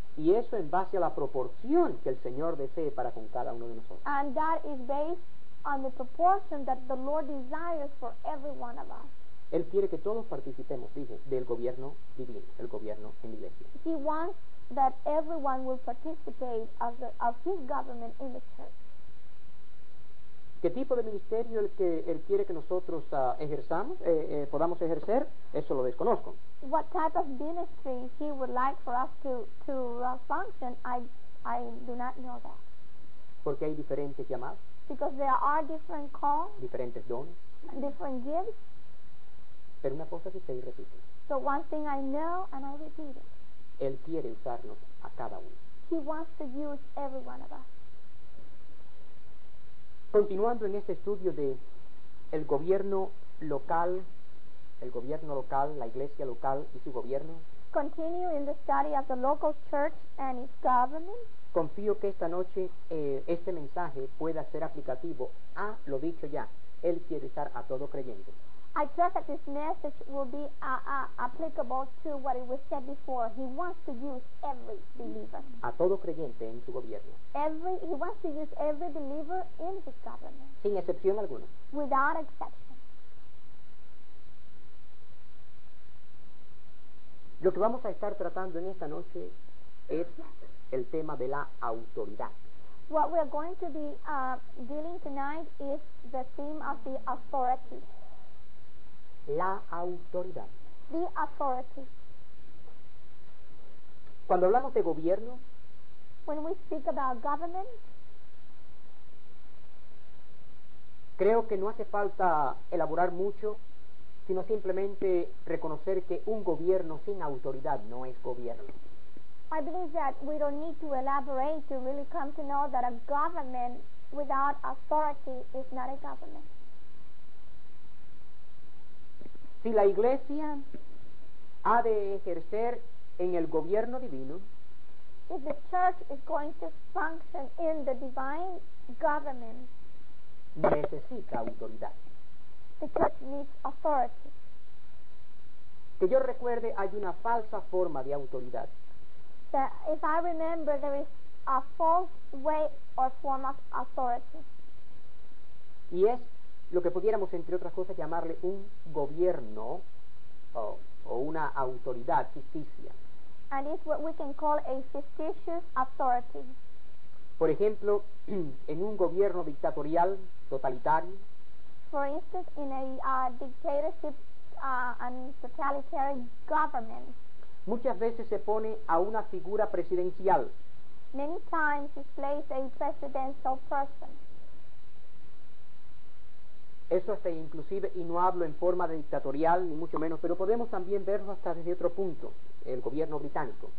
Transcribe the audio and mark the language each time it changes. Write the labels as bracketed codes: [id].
[es] Y eso en base a la proporción que el Señor desee para con cada uno de nosotros. [en] And that is based on the proportion that the Lord desires for every one of us. [es] Él quiere que todos participemos, dice, del gobierno divino, el gobierno en la iglesia. [en] He wants that everyone will participate of his government in the church. [es] ¿Qué tipo de ministerio él quiere que nosotros podamos ejercer? Eso lo desconozco. [en] What type of ministry he would like for us to function, I do not know that. [es] Porque hay diferentes llamados. [en] Because there are different calls. [es] Diferentes dones. [en] Different gifts. [es] Pero una cosa que sé y repito. [en] So one thing I know and I repeat it. [es] Él quiere usarnos a cada uno. [en] He wants to use every one of us. [es] Continuando en este estudio de el gobierno local, la iglesia local y su gobierno. [en] Continue in the study of the local church and its government. [es] Confío que esta noche este mensaje pueda ser aplicativo a lo dicho ya. Él quiere usar a todo creyente. [en] I trust that this message will be applicable to what it was said before. He wants to use every believer. [es] A todo creyente en su gobierno. [en] He wants to use every believer in his government. [es] Sin excepción alguna. [en] Without exception. [es] Lo que vamos a estar tratando en esta noche es el tema de la autoridad. [en] What we are going to be dealing tonight is the theme of the authority. [es] La autoridad. [en] The authority. [es] Cuando hablamos de gobierno. [en] When we speak about government. [es] Creo que no hace falta elaborar mucho, sino simplemente reconocer que un gobierno sin autoridad no es gobierno. [en] I believe that we don't need to elaborate to really come to know that a government without authority is not a government. [es] Si la iglesia ha de ejercer en el gobierno divino, [en] if the church is going to function in the divine government, [es] necesita autoridad. [en] The church needs authority. [es] Que yo recuerde, hay una falsa forma de autoridad. [en] That if I remember, there is a false way or form of authority. [es] Y es lo que pudiéramos, entre otras cosas, llamarle un gobierno o una autoridad ficticia. [en] And it's what we can call a fictitious authority. [es] Por ejemplo, en un gobierno dictatorial, totalitario. [en] For instance, in a dictatorship and totalitarian government. [es] Muchas veces se pone a una figura presidencial. [en] Many times is placed a presidential person. [es] Eso es inclusive, y no hablo en forma de dictatorial, ni mucho menos, pero podemos también verlo hasta desde otro punto, el gobierno británico.